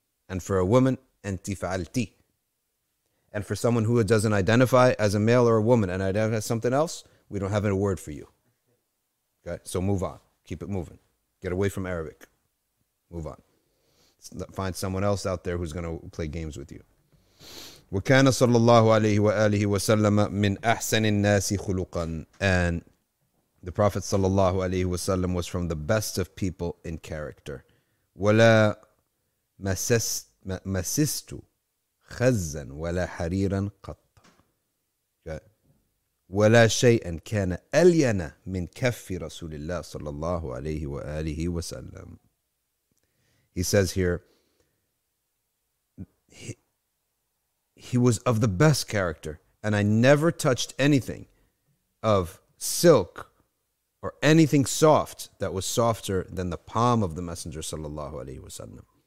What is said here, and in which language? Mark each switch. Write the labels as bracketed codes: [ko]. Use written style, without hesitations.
[en] And for a woman, [ar] أنت فعلتي. [en] And for someone who doesn't identify as a male or a woman and identify as something else, we don't have a word for you. Okay, so move on. Keep it moving. Get away from Arabic. Move on. Find someone else out there who's going to play games with you. [ar] وَكَانَ صَلَّى اللَّهُ عَلَيْهِ وَآلِهِ وَسَلَّمَ مِنْ أَحْسَنِ النَّاسِ خُلُقًا. [en] And the Prophet sallallahu alayhi wa sallam was from the best of people in character. [ar] وَلَا مَسِسْتُ خَزًّا وَلَا حَرِيرًا قَطَّ. ولا شيئا كان ألين من كف رسول الله صلى الله عليه وآله وسلم. [en] He says here, he was of the best character, and I never touched anything of silk or anything soft that was softer than the palm of the Messenger sallallahu alaihi wasallam.